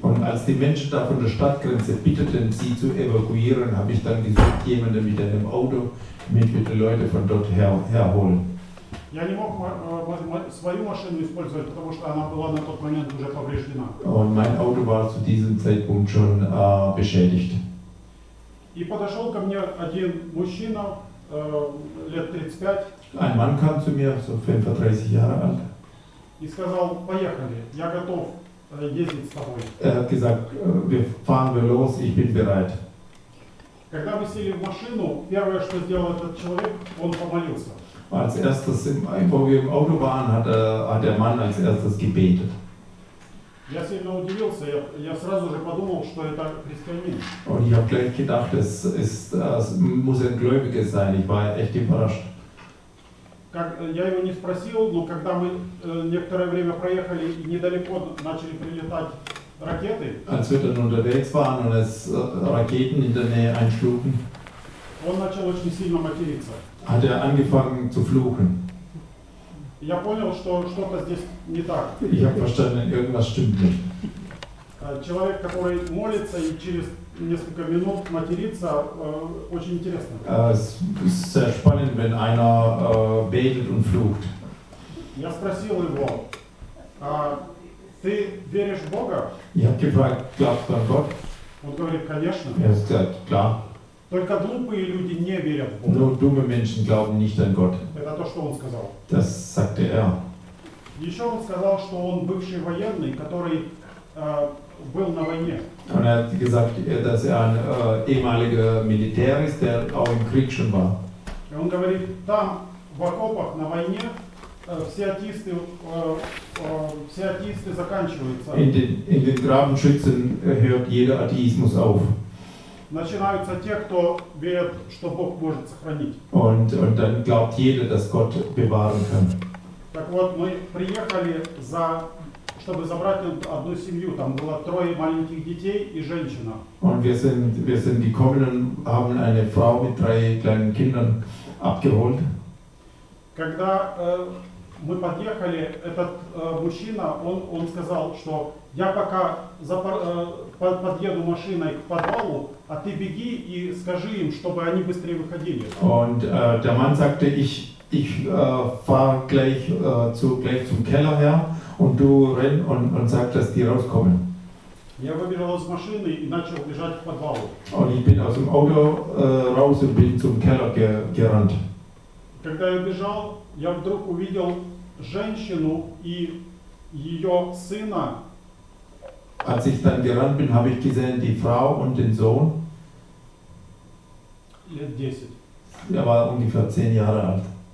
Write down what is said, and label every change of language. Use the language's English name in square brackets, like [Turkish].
[German] Und als die Menschen da von der Stadtgrenze bitteten, sie zu evakuieren, habe ich dann gesucht jemanden mit einem Auto, mit den Leuten von dort herholen. [Russian] Я не мог свою машину использовать, потому что она была на тот момент уже повреждена. [German] Und mein Auto war zu diesem Zeitpunkt schon beschädigt. [Russian] И подошел ко мне один мужчина, лет 35. [German] Ein Mann kam zu mir, so 35 Jahre alt. [Russian] И сказал, поехали, я готов ездить с тобой. [German] Er hat gesagt, fahren wir los, ich bin bereit. [Russian] Когда мы сели в машину, первое, что сделал этот человек, он помолился. [German] Als erstes, wo wir im Auto waren, hat der Mann als erstes gebetet. Und ich habe gleich gedacht, es muss ein Gläubiger sein. Ich war echt überrascht. [Russian] Я его не спросил, но когда мы некоторое время проехали и недалеко начали прилетать ракеты. [German] Als wir dann unterwegs waren und es Raketen in der Nähe einschlugen. [Russian] Он начал очень сильно материться. [German] Hat angefangen zu fluchen. [Russian] Я понял, что что-то здесь не так. [German] Ich habe verstanden, irgendwas stimmt nicht. [Russian] Человек, который молится и через несколько минут матерится, очень интересно. [German] Es ist sehr spannend, wenn einer betet und flucht. [Russian] Я спросил его, ты веришь в Бога? [German] Ich habe gefragt, glaubst du an Gott? [Russian] Он говорит, конечно. [German] Er hat gesagt, klar. [Russian] Только глупые люди не верят в Бога. [German] Nur dumme Menschen glauben nicht an Gott. [Russian] Это то, что он сказал. [German] Das sagte er. [Russian] Еще он сказал, что он бывший военный, который был на войне. [German] Und er hat gesagt, dass ein ehemaliger Militär ist, der auch im Krieg schon war. [Russian] Он говорит, там, в окопах, на войне, все атеисты заканчиваются. [German] In den Grabenschützen hört jeder Atheismus auf. [Russian] Начинаются те, кто верят, что Бог может сохранить. [German] Und dann glaubt jeder, dass Gott bewahren kann. [Russian] Так вот, мы приехали за, чтобы забрать одну семью. Там было трое маленьких детей и женщина. [German] Und wir sind gekommen und haben eine Frau mit drei kleinen Kindern abgeholt. [Russian] Когда мы подъехали, этот мужчина, он сказал, что я пока подъеду машиной к подвалу, а ты беги и скажи им, чтобы они быстрее выходили. [German] Und der Mann sagte, ich fahre gleich zum Keller her und du renn und sag, dass die rauskommen. [Russian] Я выбежал из машины и начал бежать к подвалу. [German] Und ich bin aus dem Auto raus und bin zum Keller gerannt. [Russian] Когда я бежал, я вдруг увидел женщину и ее сына. [German] Als ich dann gerannt bin, habe ich gesehen die Frau und den Sohn. [Russian] Лет 10. [German] Er war ungefähr 10 Jahre alt.